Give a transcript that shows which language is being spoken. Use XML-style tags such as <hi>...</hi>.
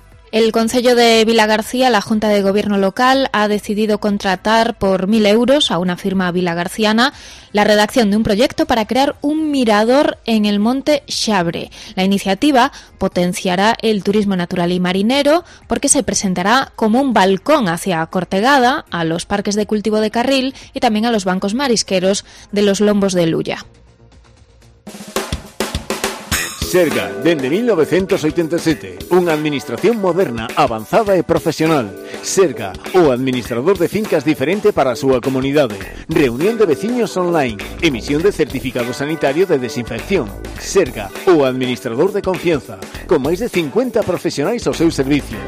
<es>El Concello de Vila García, la Junta de Gobierno local, ha decidido contratar por 1.000 euros a una firma vilagarciana la redacción de un proyecto para crear un mirador en el Monte Xabre. La iniciativa potenciará el turismo natural y marinero porque se presentará como un balcón hacia Cortegada, a los parques de cultivo de Carril y también a los bancos marisqueros de los Lombos de Luya.</es> <gl>Serga, dende 1987, unha administración moderna, avanzada e profesional. Serga, o administrador de fincas diferente para a súa comunidade. Reunión de veciños online, emisión de certificado sanitario de desinfección. Serga, o administrador de confianza, con máis de 50 profesionais ao seu servicio.</gl>